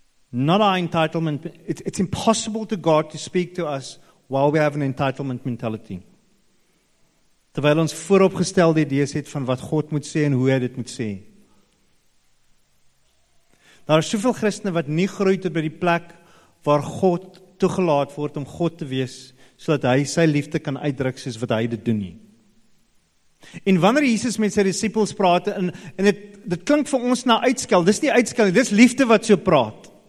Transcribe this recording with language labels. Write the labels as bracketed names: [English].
[English] Not our entitlement, it's impossible to God to speak to us while we have an entitlement mentality. [Afrikaans] Terwyl ons vooropgestelde idees het van wat God moet sê en hoe hy dit moet sê. Daar is soveel Christene wat nie groei tot by die plek waar God toegelaat word om God te wees, sodat hy sy liefde kan uitdruk soos wat hy dit doen nie. En wanneer Jesus met sy disippels praat, en dit klink vir ons na uitskel, dis nie uitskel, dis liefde wat so praat.